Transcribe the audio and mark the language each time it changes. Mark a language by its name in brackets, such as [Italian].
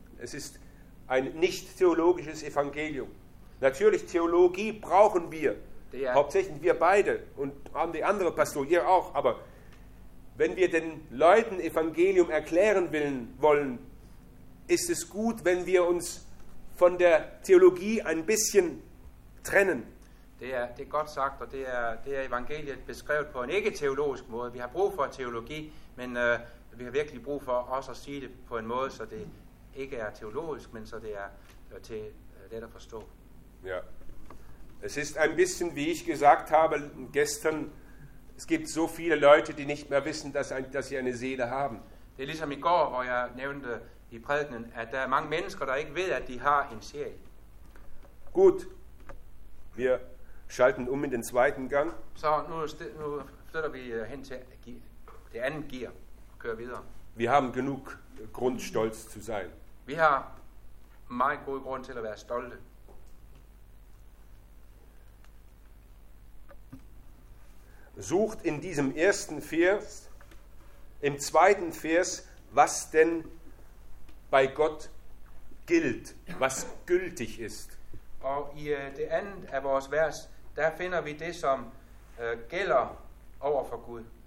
[German] Es ist ein nicht theologisches Evangelium. Natürlich, Theologie brauchen wir, hauptsächlich wir beide und haben die andere Pastor, ihr auch. Aber wenn wir den Leuten Evangelium erklären wollen, ist es gut, wenn wir uns von der Theologie ein bisschen trennen. [Danish] Det er godt sagt, og det er evangeliet beskrevet på en ikke teologisk måde. Vi har brug for teologi, men vi har virkelig brug for også at sige det på en måde, så det ikke er teologisk, men så det er til let at forstå. Ja. [German] Es ist ein bisschen, wie ich gesagt habe gestern, es gibt so viele Leute, die nicht mehr wissen, dass sie eine Seele haben. [Danish] Det er ligesom i går, hvor jeg nævnte i prædikenen, at der er mange mennesker, der ikke ved, at de har en sjæl. [German] Gut. Wir schalten um in den zweiten Gang. [Danish] Så nu flytter vi hen til det andet gear og kører videre. [German] Wir haben genug Grund, stolz zu sein. [Danish] Vi har meget god grund til at være stolte. [German] Sucht in diesem ersten Vers, im zweiten Vers, was denn bei Gott gilt, was gültig ist. [Danish] Og i det andet af vores vers, der finder vi det, som gælder over for Gud.